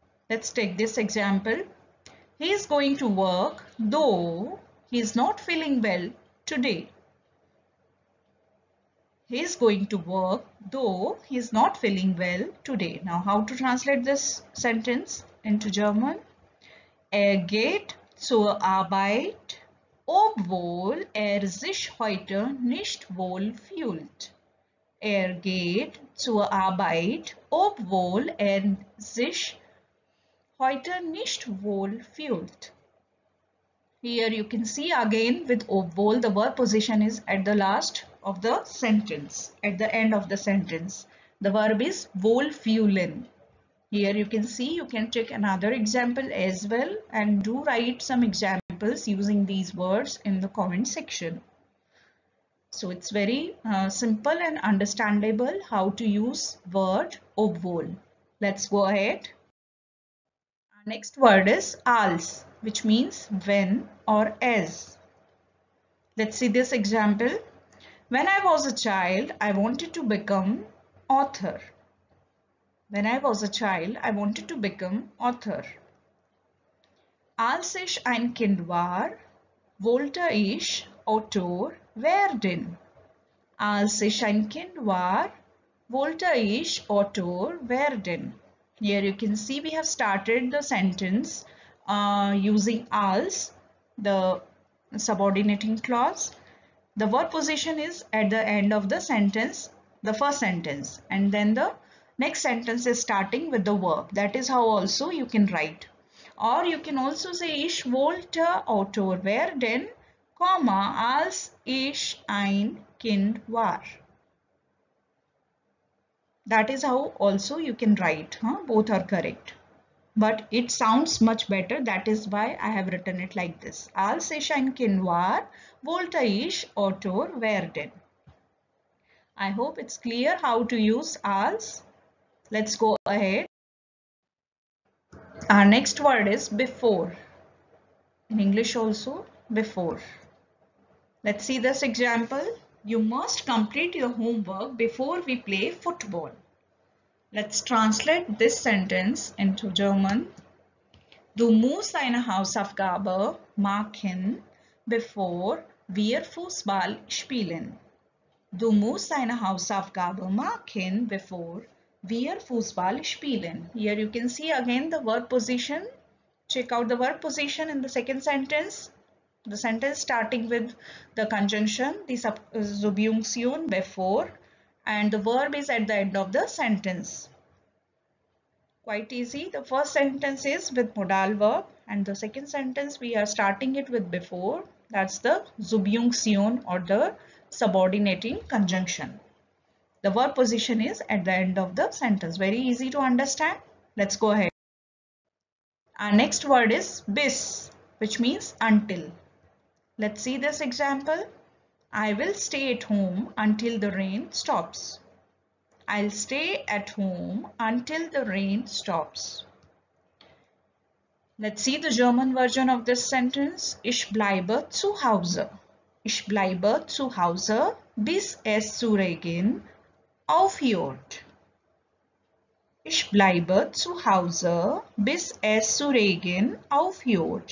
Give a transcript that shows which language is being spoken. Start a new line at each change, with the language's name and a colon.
English: Let's take this example. He is going to work though he is not feeling well today. He is going to work though he is not feeling well today. Now, how to translate this sentence into German?
German: Er geht zur Arbeit, obwohl sich heute nicht wohl fühlt. Er geht zur Arbeit, obwohl sich heute nicht wohl fühlt.
English: Here you can see again with obwohl, the verb position is at the last of the sentence, at the end of the sentence. The verb is wohl fühlen. Here you can see, you can take another example as well and do write some examples using these words in the comment section. So it's very simple and understandable how to use word obwohl. Let's go ahead. Our next word is als, which means when or as. Let's see this example. When I was a child, I wanted to become author. When I was a child, I wanted to become author.
German: Als ich ein Kind war, wollte ich Autor werden. Als ich ein Kind war, wollte ich Autor werden.
English: Here you can see we have started the sentence using als, the subordinating clause. The word position is at the end of the sentence, the first sentence, and then the next sentence is starting with the verb. That is how also you can write. Or you can also say
German: ich wollte Autor werden,
English: comma,
German: als ich ein Kind war.
English: That is how also you can write. Huh? Both are correct. But it sounds much better. That is why I have written it like this.
German: Als ich ein Kind war, wollte ich Autor werden.
English: I hope it's clear how to use als. Let's go ahead. Our next word is before. In English also, before. Let's see this example. You must complete your homework before we play football. Let's translate this sentence into German.
German: Du musst deine Hausaufgabe machen, bevor wir Fußball spielen. Du musst deine Hausaufgabe machen, bevor wir Fußball spielen.
English: Here you can see again the verb position. Check out the verb position in the second sentence. The sentence starting with the conjunction, the subjunction before, and the verb is at the end of the sentence. Quite easy. The first sentence is with modal verb and the second sentence we are starting it with before. That's the subjunction or the subordinating conjunction. The verb position is at the end of the sentence. Very easy to understand. Let's go ahead. Our next word is bis, which means until. Let's see this example. I will stay at home until the rain stops. I'll stay at home until the rain stops. Let's see the German version of this sentence.
German: Ich bleibe zu Hause. Ich bleibe zu Hause bis es zu Regen aufhört. Ich bleibe zu Hause bis es zu Regen aufhört.